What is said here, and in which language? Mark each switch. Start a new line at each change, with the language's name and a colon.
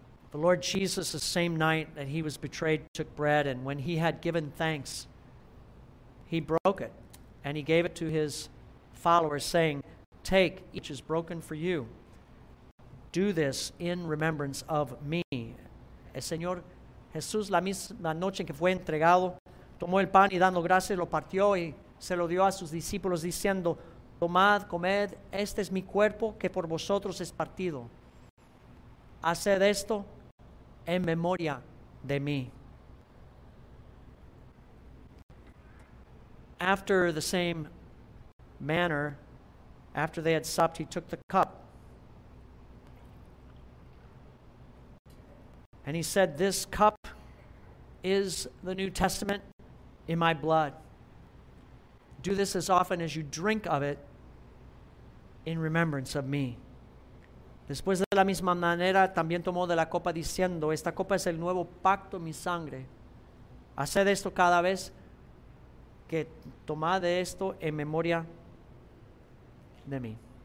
English: The Lord Jesus, the same night that he was betrayed, took bread, and when he had given thanks, he broke it, and he gave it to his followers, saying, "Take, each is broken for you. Do this in remembrance of me."
Spanish: El Señor Jesús, la misma noche que fue entregado, tomó el pan y dando gracias lo partió y se lo dio a sus discípulos diciendo, tomad, comed, este es mi cuerpo que por vosotros es partido. Haced esto en memoria de mí.
English: after the same manner, after they had supped, he took the cup. And he said, "This cup is the New Testament in my blood. Do this as often as you drink of it in remembrance of me."
Spanish: Después de la misma manera, también tomó de la copa diciendo, "Esta copa es el nuevo pacto en mi sangre. Haced esto cada vez que tomad de esto en memoria de mí."